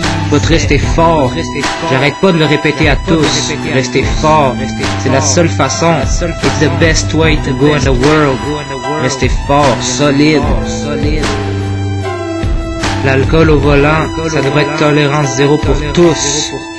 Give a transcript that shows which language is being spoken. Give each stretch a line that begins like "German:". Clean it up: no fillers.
French: But restez fort. J'arrête pas de le répéter à tous. Restez fort. C'est la seule façon.
English: It's the best way to go in the world.
French: Restez fort, solide. L'alcool au volant, ça devrait être tolérance zéro pour tous.